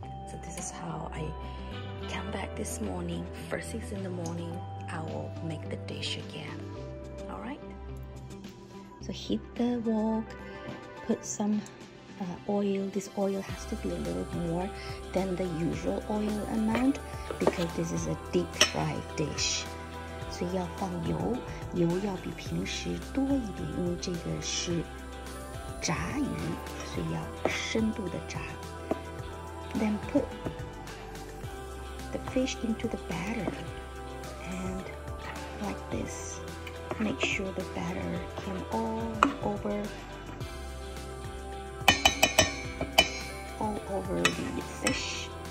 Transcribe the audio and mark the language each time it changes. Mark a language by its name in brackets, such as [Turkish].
[English] So this is how I come back this morning. First thing in the morning, I will make the dish again. All right? So heat the wok, put some oil. This oil has to be a little more than the usual oil amount because this is a deep fried dish. [Chinese] 所以要放油，油要比平时多一点，因为这个是炸鱼，所以要深度的炸。 [English] Then put the fish into the batter and like this. Make sure the batter came all over the fish.